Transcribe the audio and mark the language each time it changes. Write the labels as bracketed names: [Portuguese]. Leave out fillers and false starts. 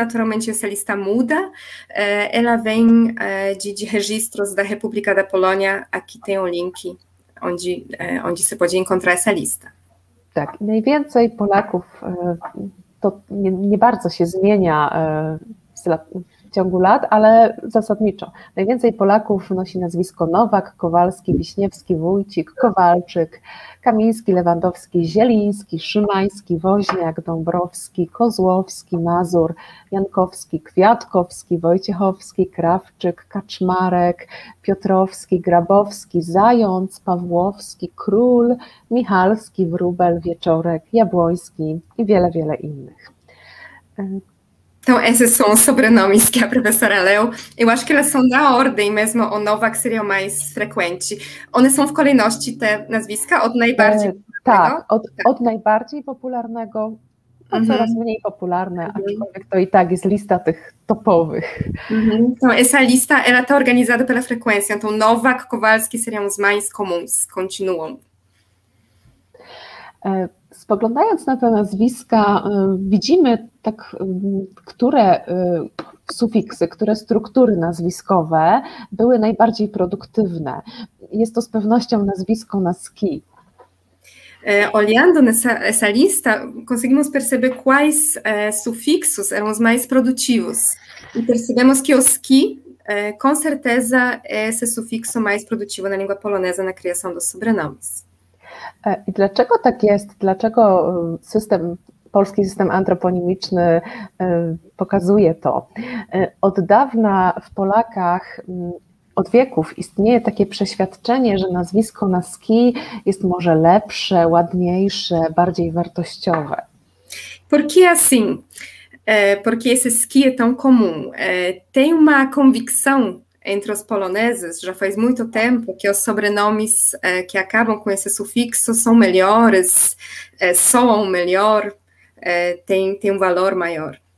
[Portuguese] Naturalmente essa lista muda. Ela vem de registros da República da Polônia. Aqui tem um link onde se pode encontrar essa lista. [Polish] Tak, najwięcej Polaków to nie bardzo się zmienia w ciągu lat, ale zasadniczo. Najwięcej Polaków nosi nazwisko Nowak, Kowalski, Wiśniewski, Wójcik, Kowalczyk, Kamiński, Lewandowski, Zieliński, Szymański, Woźniak, Dąbrowski, Kozłowski, Mazur, Jankowski, Kwiatkowski, Wojciechowski, Krawczyk, Kaczmarek, Piotrowski, Grabowski, Zając, Pawłowski, Król, Michalski, Wróbel, Wieczorek, Jabłoński i wiele, wiele innych. [Portuguese] Então, esses são os sobrenomes que a professora leu. Eu acho que elas são da ordem mesmo, o Novak seria o mais frequente. [Polish] One são w kolejności te nazwiska od najbardziej Od najbardziej popularnego, a coraz mniej popularne, aczkolwiek to i tak jest lista tych topowych. [Portuguese] Então, essa lista, ela tá organizada pela frequência. Então, Novak, Kowalski seriam os mais comuns, continuam. [Polish] Spoglądając na te nazwiska, widzimy tak, które sufiksy, które struktury nazwiskowe były najbardziej produktywne. Jest to z pewnością nazwisko na ski. [Portuguese] Olhando nessa lista, conseguimos perceber quais sufixos eram os mais produtivos. E percebemos que o ski, com certeza, é esse sufixo mais produtivo na língua polonesa na criação dos sobrenomes. [Polish] I dlaczego tak jest? Dlaczego system, polski system antroponimiczny pokazuje to? Od dawna w Polakach, od wieków istnieje takie przeświadczenie, że nazwisko na ski jest może lepsze, ładniejsze, bardziej wartościowe. [Portuguese] Por que assim? Porque esse ski é tão comum. Tem uma convicção entre os poloneses, já faz muito tempo que os sobrenomes que acabam com esse sufixo são melhores, soam melhor, tem um valor maior.